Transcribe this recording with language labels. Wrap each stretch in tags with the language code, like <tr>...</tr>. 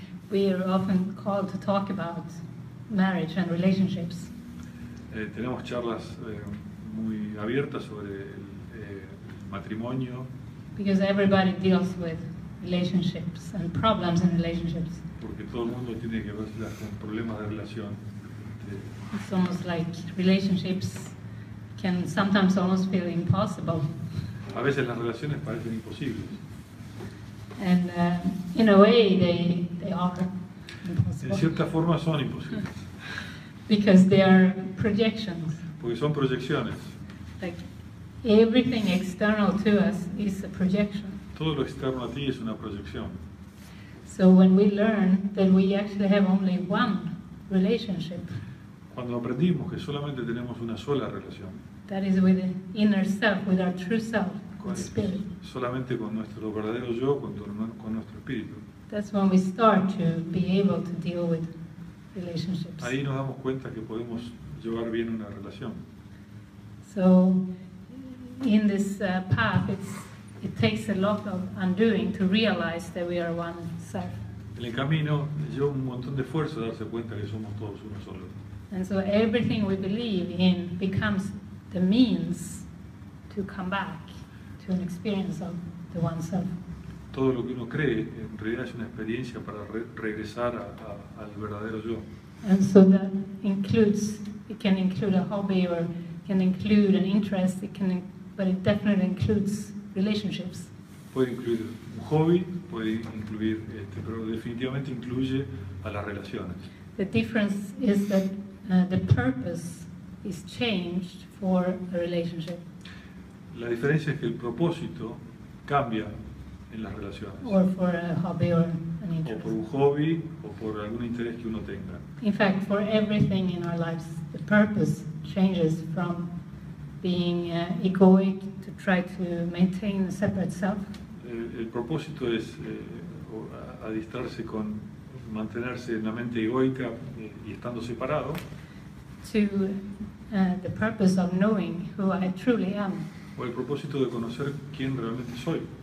<en>We are often called to talk about marriage and relationships.</en> <es>Tenemos charlas muy abiertas sobre el matrimonio.</es> <en>Because everybody deals with relationships and problems in relationships.</en> <es>Porque todo el mundo tiene que ver con problemas de relación.</es> <en>It's almost like relationships can sometimes almost feel impossible.</en> <es>A veces las relaciones parecen imposibles.</es> <en>And in a way, they are impossible.</en> <es>En cierta forma son imposibles.</es> <en>Because they are projections.</en> <es>Porque son proyecciones.</es> <en>Like everything external to us is a projection.</en> <es>Todo lo externo a ti es una proyección.</es> <en>So when we learn that we actually have only one relationship.</en> <es>Cuando aprendimos que solamente tenemos una sola relación.</es> <en>That is with the inner self, with our true self. Spirit.</en> <es>Solamente con nuestro verdadero yo, con nuestro espíritu.</es> <en>That's when we start to be able to deal with relationships.</en> <es>Ahí nos damos cuenta que podemos llevar bien una relación.</es> <en>So, in this path, it takes a lot of undoing to realize that we are one self.</en> <es>En el camino lleva un montón de esfuerzo darse cuenta que somos todos uno solo.</es> <en>And so everything we believe in becomes the means to come back. An experience of the one self.</en> <es>Todo lo que uno cree en realidad es una experiencia para regresar al verdadero yo.</es> <en>And so that includes, it can include a hobby or can include an interest, but it definitely includes relationships.</en> <es>Puede incluir un hobby, puede incluir pero definitivamente incluye a las relaciones.</es> <en>The difference is that the purpose is changed for a relationship.</en> <es>La diferencia es que el propósito cambia en las relaciones.</es> <en>Or for a hobby or an interest.</en> <es>O por un hobby o por algún interés que uno tenga.</es> <en>In fact, for everything in our lives, the purpose changes from being egoic to try to maintain a separate self.</en> <es>El propósito es adiestrarse con mantenerse en la mente egoica y estando separado.</es> <en>To the purpose of knowing who I truly am.</en> <es>O el propósito de conocer quién realmente soy.</es>